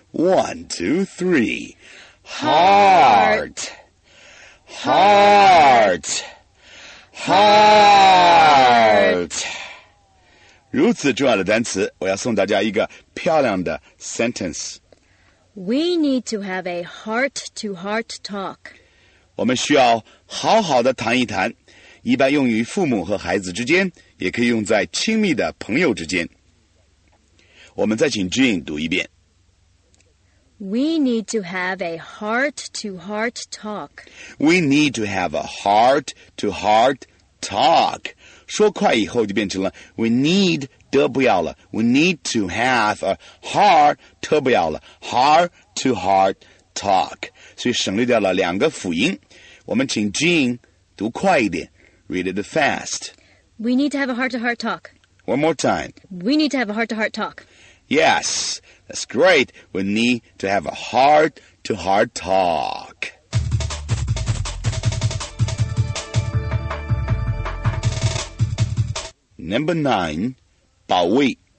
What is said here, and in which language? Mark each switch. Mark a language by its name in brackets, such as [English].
[English] One, two, three. Heart. Heart. Heart. Heart. [Chinese] 如此重要的单词，我要送大家一个漂亮的 sentence. [English] We need to have a heart-to-heart talk. [Chinese] 我们需要好好的谈一谈，一般用于父母和孩子之间，也可以用在亲密的朋友之间。我们再请 Jean 读一遍。 [English] We need to have a heart-to-heart talk. We need to have a heart-to-heart talk. [Chinese] 说快以后就变成了 [English] We need [Chinese] 得不要了 [English] We need to have a heart [Chinese] 特不要了 [English] Heart to heart talk [Chinese] 所以省略掉了两个辅音我们请 Jean 读快一点 [English] Read it fast We need to have a heart to heart talk One more time We need to have a heart to heart talk Yes, that's great We need to have a heart to heart talkNumber 9, [Chinese] 保卫